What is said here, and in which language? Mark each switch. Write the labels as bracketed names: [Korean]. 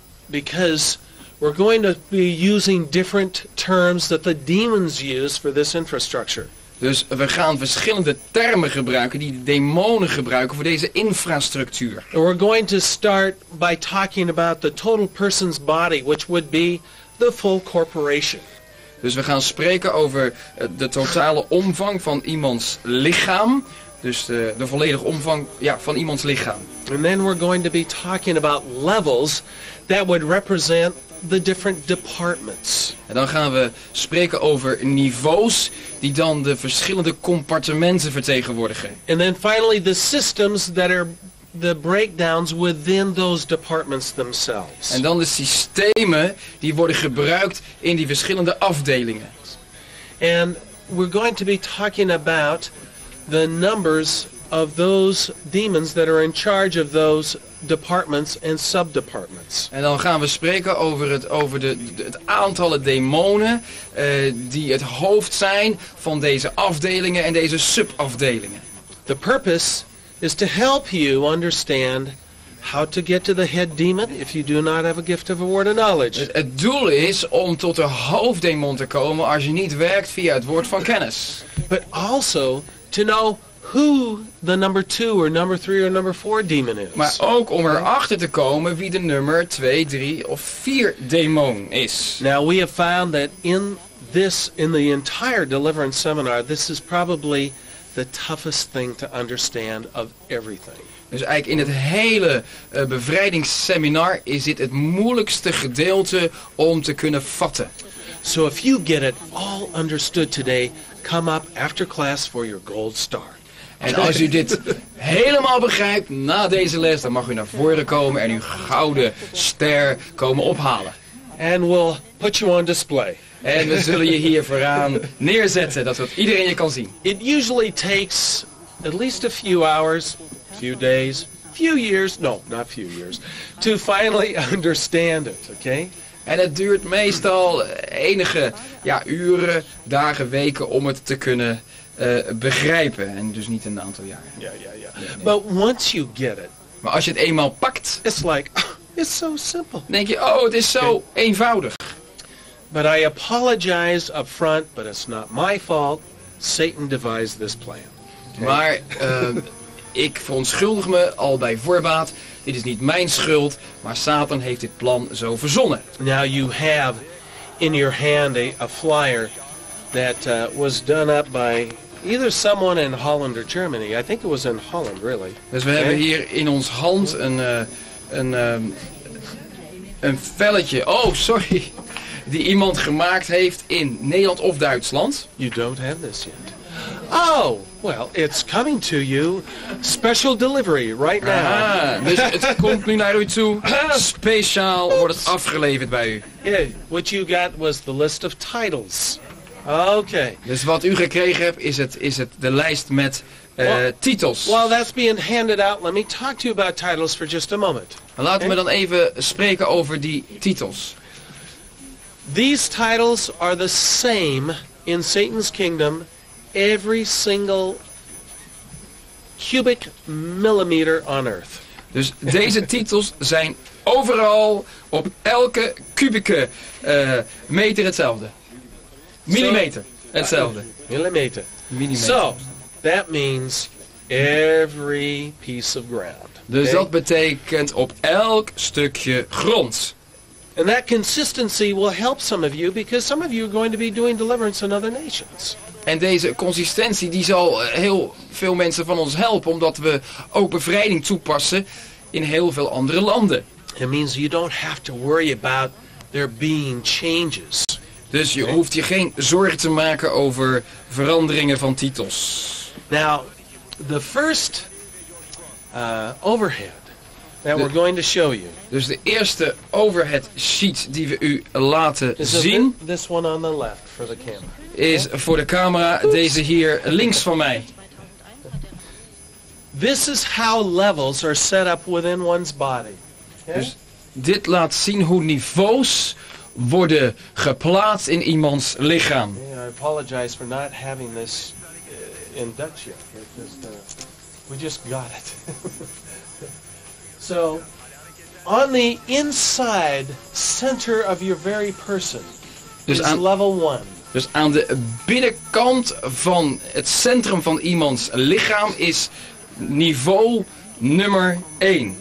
[English] Because we're going to be using different terms that the demons use for this infrastructure. [Dutch] Dus we gaan verschillende termen gebruiken die de demonen gebruiken voor deze infrastructuur. [English] And we're going to start by talking about the total person's body, which would be the full corporation. [Dutch] Dus we gaan spreken over de totale omvang van iemands lichaam. Dus de volledige omvang van iemands lichaam. [English] And then we're going to be talking about levels that would represent the different departments. [Dutch] En dan gaan we spreken over niveaus die dan de verschillende compartementen vertegenwoordigen. [English] And then finally the systems that are the breakdowns within those departments themselves. [Dutch] En dan de systemen die worden gebruikt in die verschillende afdelingen. [English] And we're going to be talking about the numbers of those demons that are in charge of those departments and sub-departments. [Dutch] En dan gaan we spreken over het aantallen demonen die het hoofd zijn van deze afdelingen en deze sub-afdelingen. [English] The purpose is to help you understand how to get to the head demon if you do not have a gift of a word of knowledge. [Dutch] Het doel is om tot de hoofddemon te komen als je niet werkt via het woord van kennis. [English] But also to know who the number 2 or number 3 or number 4 demon is. [Dutch] Maar ook om erachter te komen wie de nummer 2, 3 of 4 demon is. [English] Now we have found that in the entire deliverance seminar, this is probably the toughest thing to understand of everything. [Dutch] Dus eigenlijk in het hele bevrijdingsseminar is dit het moeilijkste gedeelte om te kunnen vatten. [English] So if you get it all understood today, come up after class for your gold star. [Dutch] En als u dit helemaal begrijpt na deze les, dan mag u naar voren komen en uw gouden ster komen ophalen. [English] And we'll put you on display. [Dutch] En we zullen je hier vooraan neerzetten, dat wat iedereen je kan zien. [English] It usually takes at least a few hours, few days, few years, no, not few years, to finally understand it, okay? [Dutch] En het duurt meestal enige uren, dagen, weken om het te kunnen begrijpen. En dus niet een aantal jaren. Ja, ja, ja. [English] But once you get it. [Dutch] Maar als je het eenmaal pakt. [English] It's like, it's so simple. [Dutch] Denk je, oh, het is zo eenvoudig. [English] But I apologize up front, but it's not my fault. Satan devised this plan. Okay. [Dutch] Maar ik verontschuldig me al bij voorbaat. Dit is niet mijn schuld, maar Satan heeft dit plan zo verzonnen. [English] Now you have in your hand a flyer that was done up by either someone in Holland or Germany. I think it was in Holland, really. [Dutch] Dus we hebben hier in ons hand een velletje. [English] Oh, sorry. [Dutch] Die iemand gemaakt heeft in Nederland of Duitsland. [English] You don't have this yet. Oh, well, it's coming to you. Special delivery right now. [Dutch] Ah, dus het komt nu naar u toe. Speciaal wordt het afgeleverd bij u. [English] Yeah, what you got was the list of titles. Okay. [Dutch] Dus wat u gekregen hebt is het de lijst met titels. [English] While that's being handed out, let me talk to you about titles for just a moment. [Dutch] Laten we dan even spreken over die titels. [English] These titles are the same in Satan's kingdom. Every single cubic millimeter on earth. [Dutch] Dus deze titels zijn overal op elke kubieke meter hetzelfde. Millimeter hetzelfde. Millimeter. Millimeter. [English] So, that means every piece of ground. [Dutch] Dus dat betekent op elk stukje grond. [English] And that consistency will help some of you because some of you are going to be doing deliverance in other nations. [Dutch] En deze consistentie die zal heel veel mensen van ons helpen omdat we ook bevrijding toepassen in heel veel andere landen. [English] It means you don't have to worry about there being changes. [Dutch] Dus je hoeft je geen zorgen te maken over veranderingen van titels. [English] Now, the first overhead that we're going to show you. [Dutch] Dus de eerste overhead sheet die we u laten zien. [English] This one on the left for the camera. [Dutch] Is voor de camera deze hier links van mij. [English] This is how levels are set up within one's body. [Dutch] Dus dit laat zien hoe niveaus worden geplaatst in iemands lichaam. [English] I apologize for not having this in Dutch yet. We just got it. So, on the inside center of your very person is level one. [Dutch] Dus aan de binnenkant van het centrum van iemands lichaam is niveau nummer 1.